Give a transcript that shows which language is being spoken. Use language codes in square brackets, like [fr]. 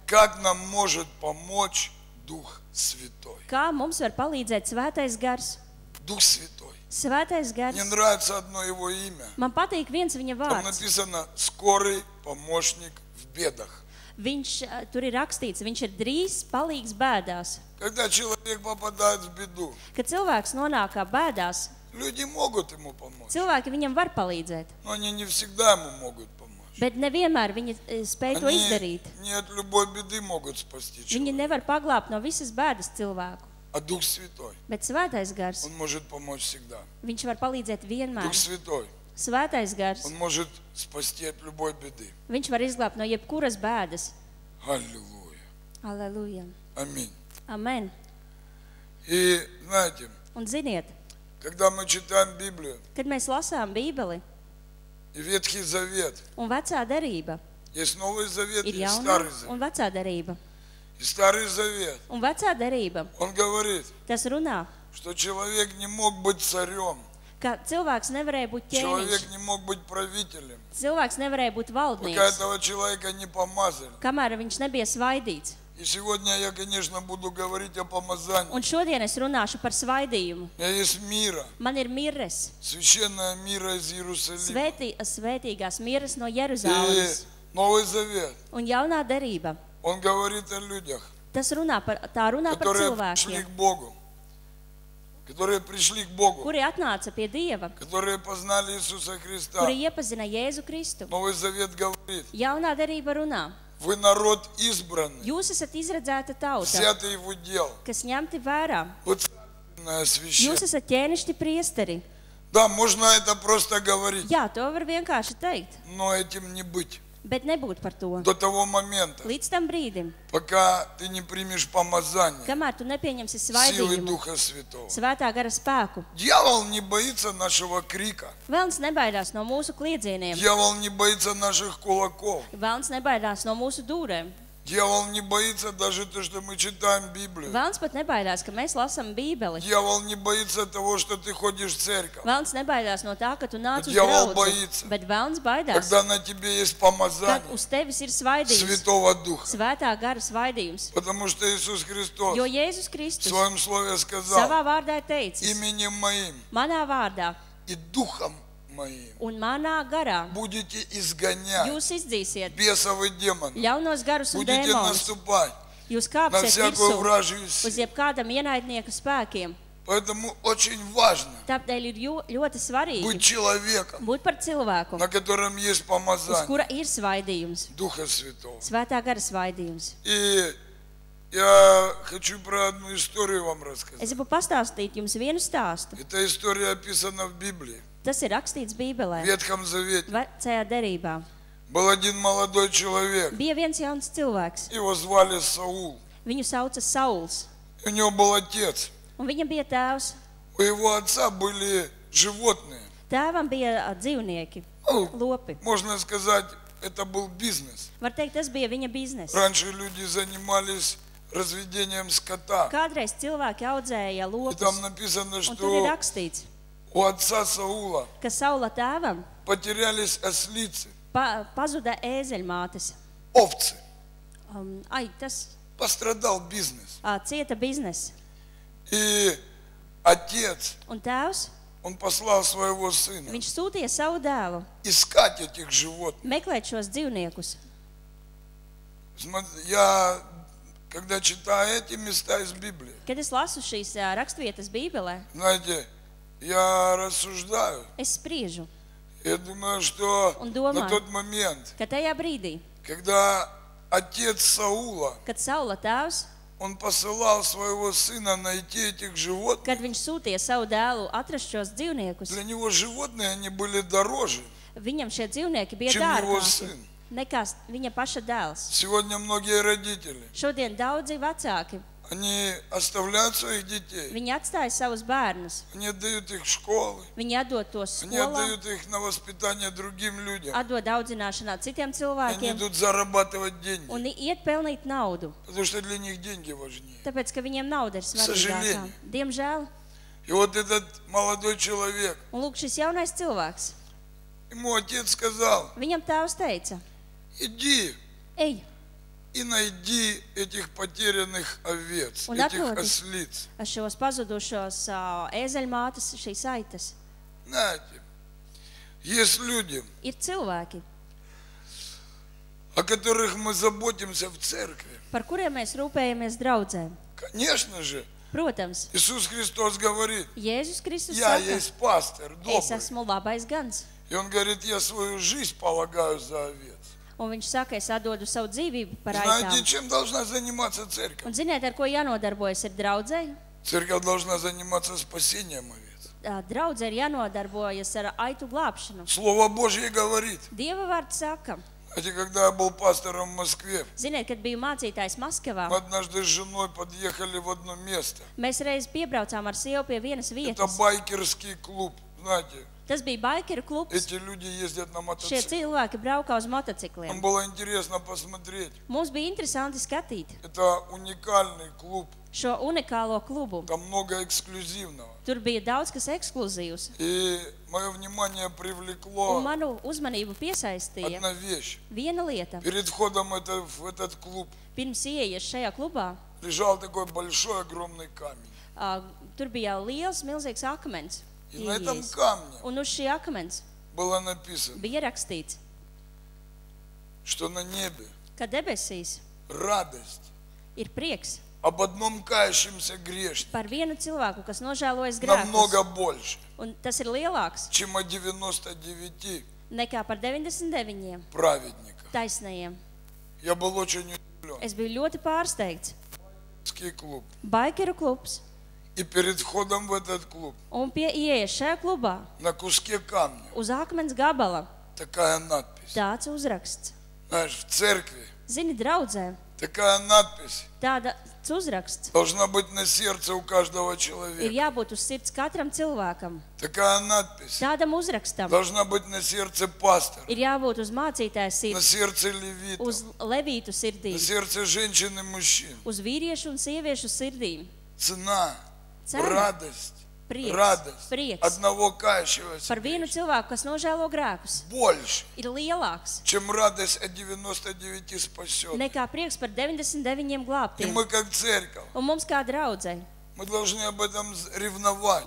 [ru] Как нам может помочь Дух Святой. [lv] Kā mums var palīdzēt Svētais Gars? [ru] Дух Святой. [lv] Svētais Gars. [ru] Мне нравится одно его имя. [lv] Man patīk viens viņa vārds. [ru] Там написано «Скорый помощник в бедах». [lv] Viņš tur ir rakstīts, viņš ir drīz palīgs bēdās. [ru] Когда человек попадает в беду. [lv] Kad cilvēks nonākā bēdās. [ru] Люди могут ему помочь. [lv] Cilvēki viņam var palīdzēt. [ru] Но они не всегда ему могут помочь. [lv] Bet nevienmēr viņi spēj to izdarīt. [ru] Не от любой беды могут спасти человека. [lv] Viņi nevar paglābt no visas bēdas cilvēku. [ru] А Дух Святой. [lv] Bet Svētais Gars. [ru] Он может помочь всегда. [lv] Viņš var palīdzēt vienmēr. [ru] Дух Святой. [lv] Svētais Gars. [ru] Он может спасти от любой беды. [lv] Viņš var izglābt no jebkuras bēdas. [ru] Аллилуйя. Аллилуйя. Аминь. [lv] Amen. [ru] И знаете. [lv] Un ziniet. [ru] Когда мы читаем Библию. [lv] Kad mēs lasām Bībeli. [ru] И Ветхий Завет. [lv] Un vecā derība. [ru] Есть Новый Завет и Старый Завет. [lv] Un vecā derība. [ru] И Старый Завет. [lv] Un vecā derība. [ru] Он говорит. [lv] Tas runā. [ru] Что человек не мог быть царем. [lv] Ka cilvēks nevarēja būt ķēniņš. [ru] Человек не мог быть правителем. [lv] Cilvēks nevarēja būt valdnieks. [ru] Пока этого человека не помазали. [lv] Kamēr viņš nebija svaidīts. [ru] И сегодня я, конечно, буду говорить о помазании. [lv] Un šodien es runāšu par svaidījumu. [ru] Я есть мира. [lv] Man ir mirres. [ru] Священная мира из Иерусалима. [lv] Svētīgās mirres no Jeruzalemes. [ru] И Новый Завет. [lv] Un jaunā derība. [ru] Он говорит о людях. [lv] Tas runā par, tā runā par cilvēkiem. [ru] Которые пришли к Богу. Которые пришли к Богу. [lv] Kuri atnāca pie Dieva. [ru] Которые познали Иисуса Христа. [lv] Kuri iepazina Jēzu Kristu. [ru] Новый Завет говорит. [lv] Jaunā derība runā. [ru] Вы народ избранный. [lv] Jūs esat izredzēta tauta. [ru] Взяты его дел. [lv] Kas ņemti vērā. Jūs esat ķēnišķi priesteri. [ru] Да, можно это просто говорить. [lv] Jā, to var vienkārši teikt. [ru] Но этим не быть. [lv] Bet nebūt par to. [ru] До того момента. [lv] Līdz tam brīdim. [ru] Пока ты не примешь помазание. [lv] Kamēr tu nepieņemsi svaidījumu. [ru] Силы Духа Святого. [lv] Svētā Gara spēku. [ru] Дьявол не боится нашего крика. [lv] Velns nebaidās no mūsu kliedzieniem. [ru] Дьявол не боится наших кулаков. [lv] Velns nebaidās no mūsu dūrēm. [ru] Дьявол не боится даже то, что мы читаем Библию. [lv] Velns pat nebaidās, ka mēs lasām Bībeli. [ru] Дьявол не боится того, что ты ходишь в церковь. [lv] Velns nebaidās no tā, ka tu nāc uz draudzes. Bet velns baidās. [ru] Когда на тебе есть помазание. [lv] Uz tevis ir svaidījums. [ru] Святого Духа. [lv] Svētā Gara svaidījums. [ru] Потому что Иисус Христос. [lv] Jo Jēzus Kristus. [ru] В своём слове сказал. [lv] Savā vārdā teicis. [ru] Именем моим. [lv] Manā vārdā. [ru] И духом [lv] Un manā garā [ru] будете изгонять [lv] jūs izdzīsiet [ru] бесов и демонов [lv] ļaunos garus un [ru] будете [lv] dēmons. [ru] Наступать [lv] jūs kāpsiet virsū uz jebkādam ienaidnieku spēkiem [ru] Поэтому очень важно [lv] Tāpēc ir ļoti svarīgi [ru] būt человеком, [lv] būt par cilvēku, [ru] на котором есть помазание, [lv] uz kura ir svaidījums, [ru] Духа Святого, [lv] Svētā Gara svaidījums. [ru] И я хочу про одну историю вам рассказать. [lv] Es gribu pastāstīt jums vienu stāstu. [ru] Эта история описана в Библии. [lv] Tas ir rakstīts Bībelē. [ru] В Ветхом Завете. [lv] Vecajā derībā. [ru] Был один молодой человек. [lv] Bija viens jauns cilvēks. [ru] Его звали Саул. [lv] Viņu sauca Sauls. [ru] У него был отец. [lv] Un viņam bija tēvs. [ru] У его отца были животные. [lv] Tēvam bija dzīvnieki, lopi. [ru] Можно сказать, это был бизнес. [lv] Var teikt, tas bija viņa biznes. [ru] Раньше люди занимались разведением скота. [lv] Kādreiz cilvēki audzēja lopus. [ru] И там написано, что [lv] Un tur ir rakstīts. [ru] У отца Саула. [lv] Ka Saula tēvam. [ru] Потерялись ослицы. [lv] Pazuda ēzeļmātes. [ru] Овцы. [lv] Ай, tas [ru] пострадал бизнес. [lv] Cieta biznes. [ru] И отец, [lv] un tēvs, [ru] он послал своего сына, [lv] viņš sūtīja savu dēlu, [ru] искать этих животных, [lv] meklēt šos dzīvniekus. [ru] Я, когда читаю эти места из Библии, [lv] kad es lasu šīs rakstvietas Bībelē, [ru] знаете, я рассуждаю, [lv] es spriežu, [ru] я думаю, что [lv] un domā, [ru] на тот момент, [lv] ka tajā brīdī, [ru] когда отец Саула, [lv] kad Saula tēvs, [ru] Он посылал своего сына найти этих животных. [lv] Kad viņš sūtīja savu dēlu atrast šos dzīvniekus. [ru] Для него животные они были дороже. [lv] Viņam šie dzīvnieki bija dārgāki. Nekā viņa paša dēls. [ru] Сегодня многие родители. [lv] Šodien daudzi vecāki. [ru] Они оставляют своих детей. [lv] Viņi atstāja savus bērnus. [ru] Они отдают их в школы. [lv] Viņi atdod tos skolā. [ru] Они отдают их на воспитание другим людям. [lv] Atdod audzināšanā citiem cilvēkiem. [ru] Они идут зарабатывать деньги. [lv] Un iet pelnīt naudu. [ru] Потому что для них деньги важнее. [lv] Tāpēc, ka viņiem nauda ir svarīgāka. Diemžēl. [ru] И вот этот молодой человек. [lv] Un lūk, šis jaunais cilvēks. [ru] Ему отец сказал. [lv] Viņam tēvs teica. [ru] Иди. [lv] Ej. [ru] И найди этих потерянных овец, [lv] Un [ru] этих ослиц. [lv] А šos pazudušos ēzeļmātes, šīs aitas. [ru] Знаете, есть люди, [lv] ir cilvēki, [ru] о которых мы заботимся в церкви. [lv] Par kuriem mēs rūpējamies draudzē. [ru] Конечно же. [lv] Protams. [ru] Иисус Христос говорит. [lv] Jēzus Kristus [ru] я [lv] saka. [ru] Я есть пастор, добрый. [lv] Es esmu labais gans. [ru] И он говорит, я свою жизнь полагаю за овец. [lv] Un viņš saka, es atdodu savu dzīvību par aitām. [ru] Знаете, чем должна заниматься церковь? [lv] Un ziniet, ar ko jānodarbojas ir draudzē? [ru] Церковь должна заниматься спасением овец. [lv] Draudzē ir jānodarbojas ar aitu glābšanu. [ru] Слово Божье говорит. [lv] Dieva vārds saka. [ru] Знаете, когда я был пастором в Москве. [lv] Ziniet, kad biju mācītājs Maskavā. [ru] Мы однажды с женой подъехали в одно место. [lv] Mēs reiz piebraucām ar sievu pie vienas vietas. [ru] Это байкерский клуб, знаете. [lv] Tas bija baikeru klubs. [ru] Эти люди ездят на мотоциклах. [lv] Šie cilvēki braukā uz motocikliem. [ru] Man было интересно посмотреть. [lv] Mums bija interesanti skatīt. [ru] Это уникальный клуб. [lv] Šo unikālo klubu. [ru] Там много эксклюзивного. [lv] Tur bija daudz kas ekskluzīvs. [ru] И моё внимание привлекло. [lv] Un manu uzmanību piesaistīja. [ru] Одна вещь. [lv] Viena lieta. [ru] Перед входом в этот клуб. [lv] Pirms ieejas šajā klubā. [ru] Лежал такой большой огромный камень. [lv] Tur bija liels milzīgs akmens. [ru] И на этом камне [lv] un uz šī akmens [ru] было написано, [lv] bija rakstīts, [ru] что на небе [lv] ka debesīs [ru] радость [lv] ir prieks [ru] об одном кающемся грешнике [lv] par vienu cilvēku, kas nožēlojas grēkus [ru] намного больше [lv] un tas ir lielāks [ru] чем о 99 [lv] nekā par 99 [ru] праведников [lv] taisnajiem [ru] я был очень удивлен [lv] es biju ļoti pārsteigts [ru] байкерский клуб байкеру клубs И перед входом в этот клуб. Он пе ие шая клуба. На куске камня. [lv] Uz akmens gabala. [ru] Такая надпись. [lv] Tāds uzraksts. [ru] Знаешь, в церкви. [lv] Zini, draudzē. [ru] Такая надпись. [lv] Tāds uzraksts. [ru] Должна быть на сердце у каждого человека. [lv] Ir jābūt uz sirds katram cilvēkam. [ru] Такая надпись. [lv] Tādam uzrakstam. [ru] Должна быть на сердце пастора. [lv] Ir jābūt uz mācītāja sirds. [ru] На сердце левита. [lv] Uz levītu sirdī. [ru] На сердце женщины мужчин. [lv] Uz vīriešu un sieviešu sirdī. [ru] Цена. [lv] Cena, [ru] радость, [lv] prieks, [ru] радость [lv] prieks, [ru] одного кающегося [lv] par vienu cilvēku, kas nožēlo grēkus, [ru] больше, [lv] ir lielāks, [ru] чем радость о 99 спасенных, [lv] nekā prieks par 99 glābtiem. [ru] И мы как церковь, [lv] un mums kā draudze, [ru] мы должны об этом ревновать,